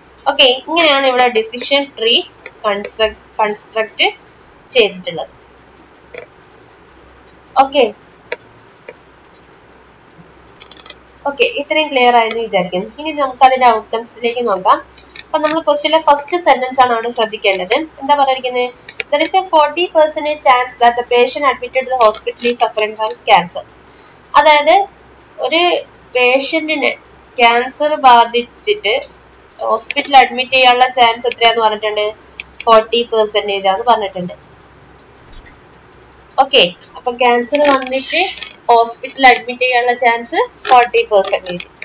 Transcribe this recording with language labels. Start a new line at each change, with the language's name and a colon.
Malayalam: Okay, ഇങ്ങനെയാണ് ഇവിടെ decision tree construct ചെയ്തിട്ടുള്ളത്. ഓക്കെ ഓക്കെ, ഇത്രയും ക്ലിയർ ആയെന്ന് വിചാരിക്കുന്നു. ഇനി നമുക്ക് അതിന്റെ ഔട്ട്കംസിലേക്ക് നോക്കാം. അപ്പൊ നമ്മൾ ക്വസ്റ്റ്യൻ ഫസ്റ്റ് സെന്റൻസ് ആണ് അവിടെ ശ്രദ്ധിക്കേണ്ടത്. എന്താ പറഞ്ഞിരിക്കുന്നത്?
English: There is a 40% chance that the patient admitted to the hospital is suffering from cancer.
Malayalam: അതായത് ഒരു പേഷ്യന്റിന് ക്യാൻസർ ബാധിച്ചിട്ട് ഹോസ്പിറ്റലിൽ അഡ്മിറ്റ് ചെയ്യാനുള്ള ചാൻസ് എത്രയാന്ന് പറഞ്ഞിട്ടുണ്ട്? 40% ആണെന്ന് പറഞ്ഞിട്ടുണ്ട്. ഓക്കെ, അപ്പൊ ക്യാൻസർ വന്നിട്ട് ഹോസ്പിറ്റലിൽ അഡ്മിറ്റ് ചെയ്യാനുള്ള ചാൻസ് 40%.